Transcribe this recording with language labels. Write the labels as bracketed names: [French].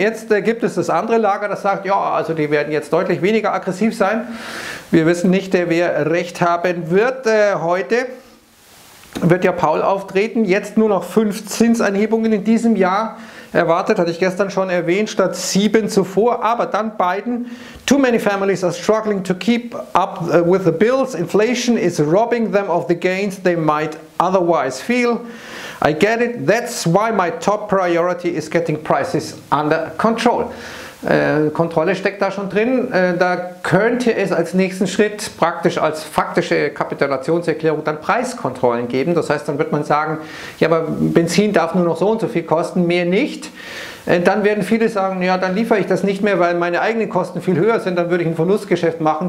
[German] Jetzt gibt es das andere Lager, das sagt, ja, also die werden jetzt deutlich weniger aggressiv sein. Wir wissen nicht, wer recht haben wird. Heute wird ja Powell auftreten, jetzt nur noch 5 Zinsanhebungen in diesem Jahr erwartet, hatte ich gestern schon erwähnt, statt 7 zuvor, aber dann Biden. [English] Too many families are struggling to keep up with the bills. Inflation is robbing them of the gains they might otherwise feel. I get it. That's why my top priority is getting prices under control. [German] Kontrolle steckt da schon drin. Da könnte es als nächsten Schritt praktisch als faktische Kapitulationserklärung dann Preiskontrollen geben. Das heißt, dann wird man sagen, ja, aber Benzin darf nur noch so und so viel kosten, mehr nicht. Dann werden viele sagen, ja, dann liefere ich das nicht mehr, weil meine eigenen Kosten viel höher sind, dann würde ich ein Verlustgeschäft machen.